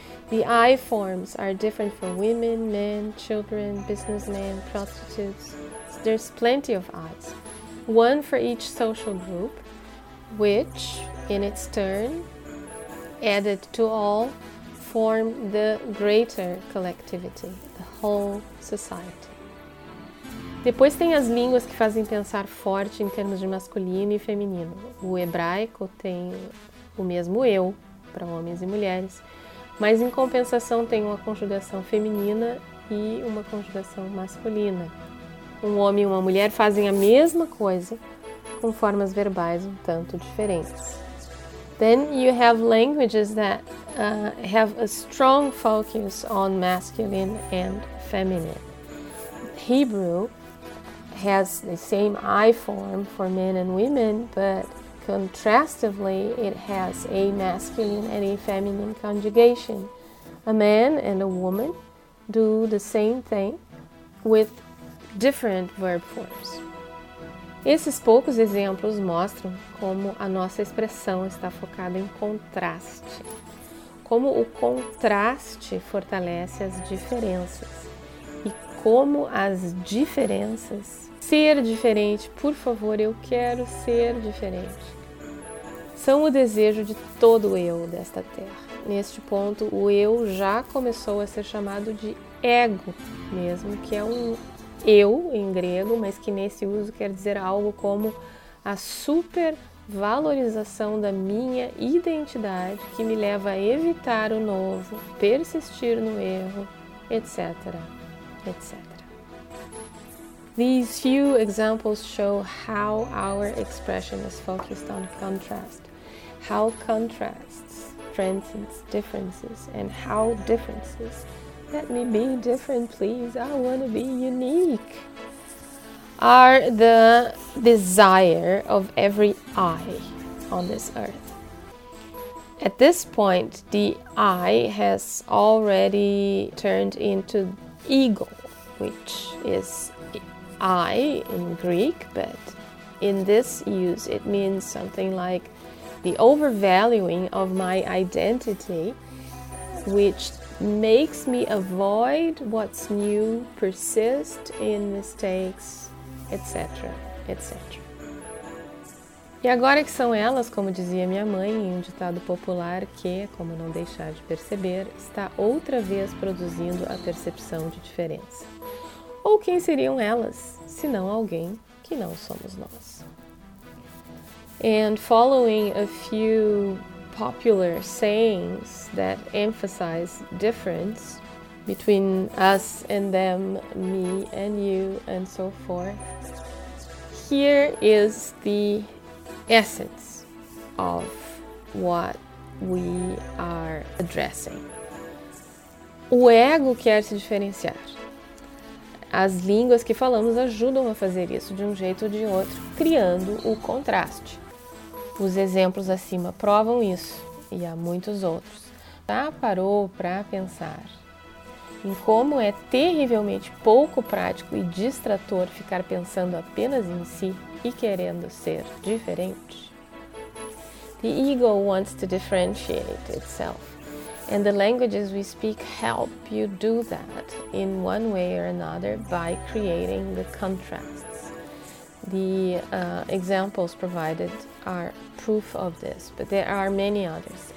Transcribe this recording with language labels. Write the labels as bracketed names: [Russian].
[English] The I forms are different for women, men, children, businessmen, prostitutes. There's plenty of I's. One for each social group, which, in its turn, added to all, form the greater collectivity, the whole society. [Portuguese] Depois tem as línguas que fazem pensar forte em termos de masculino e feminino. O hebraico tem o mesmo eu, para homens e mulheres, mas em compensação tem uma conjugação feminina e uma conjugação masculina. Um homem e uma mulher fazem a mesma coisa, com formas verbais um tanto diferentes. [English] Then you have languages that have a strong focus on masculine and feminine. Hebrew has the same I form for men and women, but contrastively, it has a masculine and a feminine conjugation. A man and a woman do the same thing with different verb forms. [Portuguese] Esses poucos exemplos mostram como a nossa expressão está focada em contraste. Como o contraste fortalece as diferenças. E como as diferenças... Ser diferente, por favor, eu quero ser diferente. São o desejo de todo o eu desta terra. Neste ponto, o eu já começou a ser chamado de ego mesmo, que é um eu em grego, mas que nesse uso quer dizer algo como a supervalorização da minha identidade que me leva a evitar o novo, persistir no erro, etc., etc. [English] These few examples show how our expression is focused on contrast, how contrasts strengths and differences, and how differences. Let me be different, please. I want to be unique. Are the desire of every I on this earth. At this point, the I has already turned into ego, which is I in Greek, but in this use it means something like the overvaluing of my identity, which makes me avoid what's new, persist in mistakes, etc, etc. [Portuguese] E agora que são elas, como dizia minha mãe em um ditado popular, que, como não deixar de perceber, está outra vez produzindo a percepção de diferença. Ou quem seriam elas, se não alguém que não somos nós? [English] And following a few popular sayings that emphasize difference between us and them, me and you, and so forth, here is the essence of what we are addressing. [Portuguese] O ego quer se diferenciar. As línguas que falamos ajudam a fazer isso de um jeito ou de outro, criando o contraste. Os exemplos acima provam isso, e há muitos outros. Já parou para pensar em como é terrivelmente pouco prático e distrator ficar pensando apenas em si e querendo ser diferente? [English] The ego wants to differentiate itself, and the languages we speak help you do that in one way or another by creating the contrasts. The examples provided are proof of this, but there are many others.